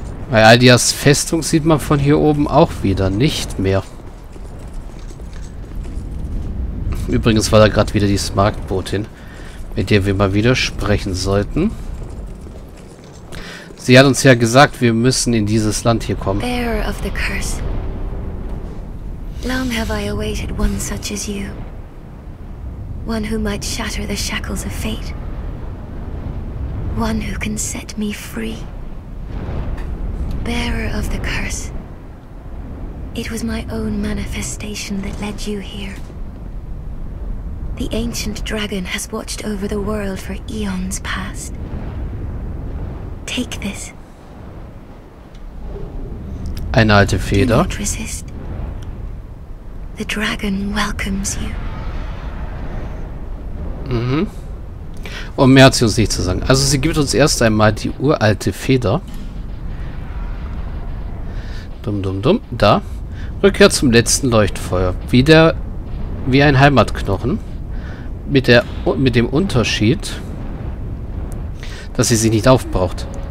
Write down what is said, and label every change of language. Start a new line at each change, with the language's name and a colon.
German: Bei Aldias Festung sieht man von hier oben auch wieder nicht mehr. Übrigens war da gerade wieder die Smaragdbotin, mit der wir mal wieder sprechen sollten. Sie hat uns ja gesagt, wir müssen in dieses Land hier kommen.
English: Bearer of the curse. Long have I awaited one such as you. One who might shatter the shackles of fate. One who can set me free. Bearer of the curse. It was my own manifestation that led you here. The ancient dragon has watched over the world for eons past. Take this.
German: Eine alte Feder.
English: Do not resist. The dragon welcomes you. Mhm.
German: Und mehr hat sie uns nicht zu sagen. Also sie gibt uns erst einmal die uralte Feder. Dum dum dum. Da. Rückkehr zum letzten Leuchtfeuer. Wie ein Heimatknochen. Mit dem Unterschied, dass sie sich nicht aufbraucht.